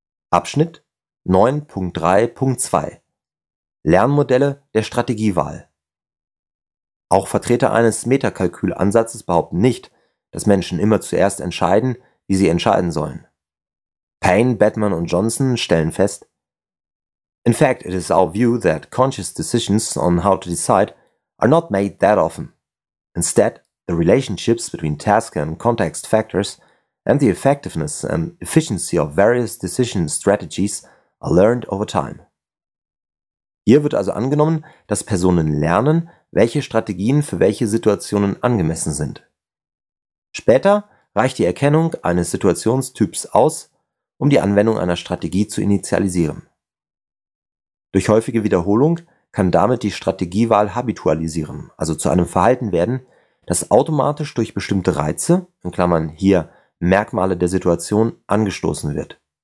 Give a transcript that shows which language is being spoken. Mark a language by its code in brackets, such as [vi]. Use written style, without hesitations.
[de] Abschnitt 9.3.2 Lernmodelle der Strategiewahl. Auch Vertreter eines Metakalkülansatzes behaupten nicht, dass Menschen immer zuerst entscheiden, wie sie entscheiden sollen. Payne, Batman und Johnson stellen fest, [en] In fact, it is our view that conscious decisions on how to decide are not made that often. Instead, the relationships between task and context factors and the effectiveness and efficiency of various decision strategies are learned over time. [de] Hier wird also angenommen, dass Personen lernen, welche Strategien für welche Situationen angemessen sind. Später reicht die Erkennung eines Situationstyps aus, um die Anwendung einer Strategie zu initialisieren. Durch häufige Wiederholung kann damit die Strategiewahl habitualisieren, also zu einem Verhalten werden, das automatisch durch bestimmte Reize, in Klammern hier Merkmale der Situation, angestoßen wird.